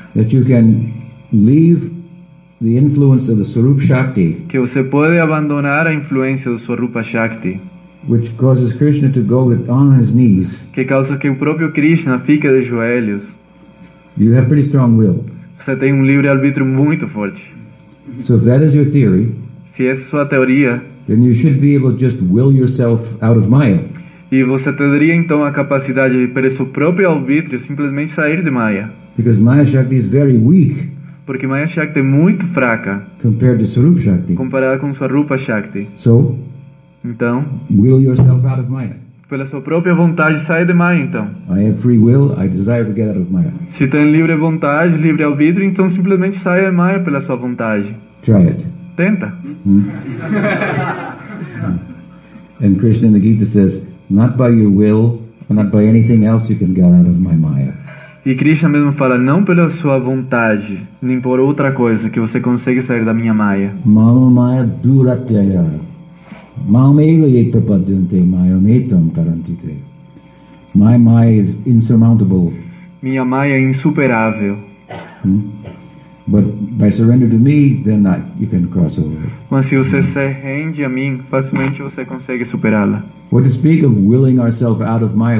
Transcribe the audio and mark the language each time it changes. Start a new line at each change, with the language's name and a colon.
English: that you can leave the influence of the Swarupa Shakti,
Portuguese: que você pode abandonar a influência do Swarupa Shakti,
English: which causes Krishna to go on his knees,
Portuguese: que causa que o próprio Krishna fique de joelhos,
English: you have pretty strong will.
Portuguese: Você tem livre-arbítrio muito forte.
English: So if that is your theory,
Portuguese: se essa é sua teoria,
English: then you should be able to just will yourself out of Maya.
Portuguese: E você teria então a capacidade de, pelo seu próprio arbítrio, simplesmente sair de Maya.
English: Because Maya Shakti is very weak.
Portuguese: Porque Maya Shakti é muito fraca.
English: Compared to Swarupa Shakti.
Portuguese: Comparada com Swarupa Shakti.
English: So,
Portuguese: então,
English: will yourself out of Maya.
Portuguese: Pela sua própria vontade, sai de Maya então.
English: I have free will, I desire to get out of Maya.
Portuguese: Se tem livre vontade, livre arbítrio, então simplesmente sai de Maya pela sua vontade.
English: Try it.
Portuguese: Tenta.
English: And Krishna in the Gita says, not by your will, not by anything else you can get out of my Maya.
Portuguese: E Krishna mesmo fala, não pela sua vontade, nem por outra coisa que você consegue sair da minha Maya.
Sanskrit: Mam Maya duratyaya. Mam eva ye prapadyante mayamitam tarantite.
English: My Maya is insurmountable.
Portuguese: Minha Maya é insuperável.
English: But by surrender to me, then you can cross over.
Portuguese: Mas se você se rende a mim, facilmente você consegue superá-la.
English: What to speak of willing ourselves out of Maya?